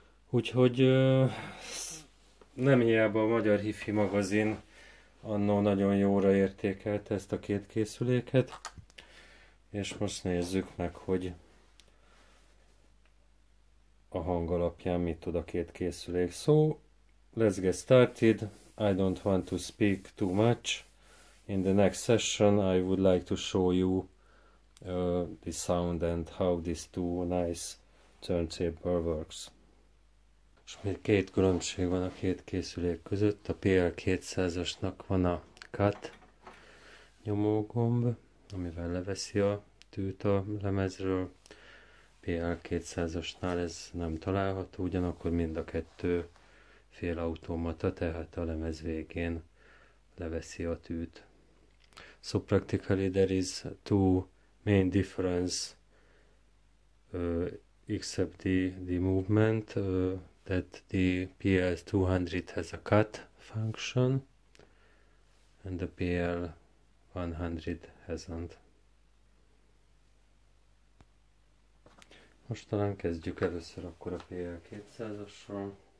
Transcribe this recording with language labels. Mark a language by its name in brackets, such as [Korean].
[Hungarian] Úgyhogy nem hiába a Magyar Hifi magazin annó nagyon jóra értékelt ezt a két készüléket, és most nézzük meg, hogy a hang alapján mit tud a két készülék. [English] So, let's get started. I don't want to speak too much. In the next session, I would like to show you the sound and how these two nice turntable works. [Hungarian] És még két különbség van a két készülék között. A PL200-asnak van a cut nyomógomb, amivel leveszi a tűt a lemezről. PL200-asnál ez nem található, ugyanakkor mind a kettő félautomata, tehát a lemez végén leveszi a tűt. [English] So practically there is two main difference, except the movement, that the PL200 has a cut function and the PL100 hasn't. [Hungarian] Most talán kezdjük először akkor a PL200-assal.